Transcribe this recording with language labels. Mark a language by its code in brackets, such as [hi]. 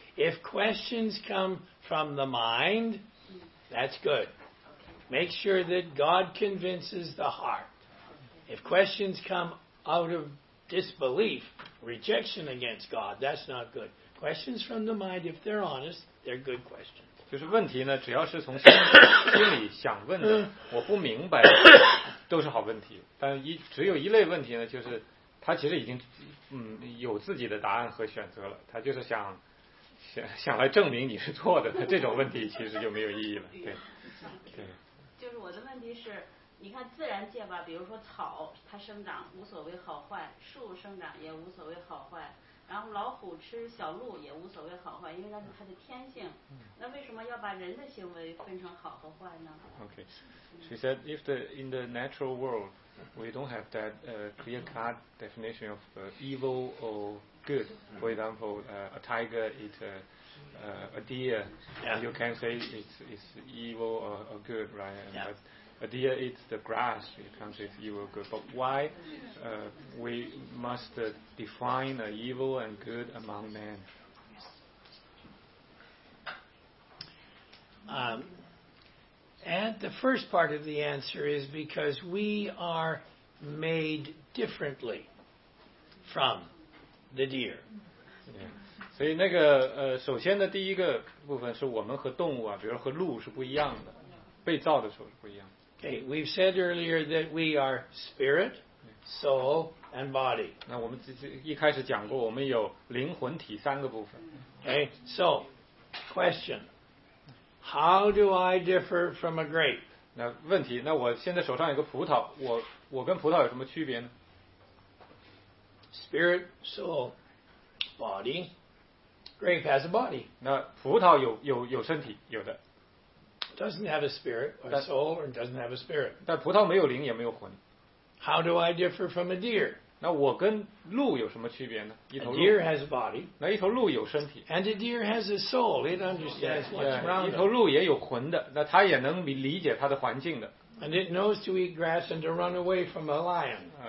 [en] If questions come from the mind, that's good. Make sure that God convinces the heart. If questions come out of disbelief, rejection against God, that's not good. Questions from the mind, if they're honest, they're good questions. [zh] 就是问题呢，只要是从心里想问的，我不明白，都是好问题。但只有一类问题呢，就是他其实已经有自己的答案和选择了，他就是想来证明你是错的。这种问题其实就没有意义了。对，就是我的问题是，你看自然界吧，比如说草，它生长无所谓好坏，树生长也无所谓好坏。然后老虎吃小鹿也无所谓好坏，因为那是它的天性。那为什么要把人的行为分成好和坏呢 [en] ？Okay, she said if in the natural world we don't have that clear-cut definition of evil or good. For example, a tiger eat a deer. Yeah. You can say it's evil or good, right? Yeah. But a deer eats the grass, it comes with evil good. But why we must define a evil and good among men? And the first part of the answer is because we are made differently from the deer. Yeah. [zh] 所以那个首先的第一个部分是我们和动物啊，比如和鹿是不一样的，被造的时候是不一样的。 [en] Okay, we've said earlier that we are spirit, soul, and body. [zh] 那我们一开始讲过，我们有灵魂体三个部分。 [en] Okay, so, question. How do I differ from a grape? [zh] 那问题，那我现在手上有个葡萄，我跟葡萄有什么区别呢？ [en] Spirit, soul, body. Grape has a body. [zh] 那葡萄有身体，有的。 [en] Doesn't have a spirit or soul, or doesn't have a spirit. [zh] 但葡萄没有灵，也没有魂。 [en] How do I differ from a deer? [zh] 那我跟鹿有什么区别呢？一头鹿。 [en] A deer has a body. [zh] 那一头鹿有身体。 [en] And a deer has a soul. It understands what's around. [zh] 一头鹿也有魂的，那它也能理解它的环境的。 [en] And it knows to eat grass and to run away from a lion.